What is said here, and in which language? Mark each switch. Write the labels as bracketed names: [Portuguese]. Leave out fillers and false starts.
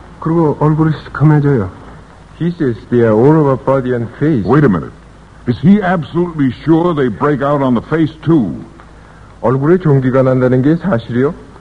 [Korean] 그리고 얼굴이 시커매져요. [English] He says they are all over body and face. Wait a minute. Is he absolutely sure they break out on the face too? [Korean] 얼굴에 전기가 난다는 게 사실이요?